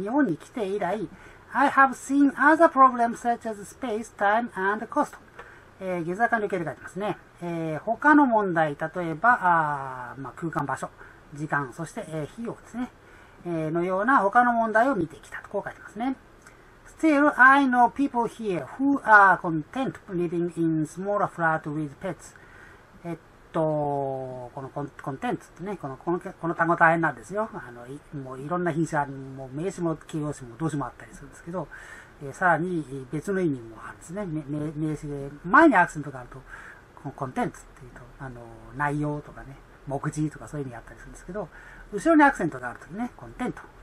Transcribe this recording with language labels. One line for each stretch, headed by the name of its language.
Japanese: 日本に来て以来、
English: I have seen other problems such as space, time, and cost.
Japanese: 下座完了形で書いてますね。他の問題、例えば、まあ、空間場所、時間、そして、費用ですね。のような他の問題を見てきたと、こう書いてますね。
English: Still, I know people here who are content living in smaller flat with pets.
Japanese: このコンテンツってね、この単語大変なんですよ。もういろんな品種ある、もう名詞も形容詞も動詞もあったりするんですけど、さらに別の意味もあるんですね。名詞で前にアクセントがあると、このコンテンツっていうと、内容とかね、目次とかそういう意味があったりするんですけど、後ろにアクセントがあるとね、コンテント。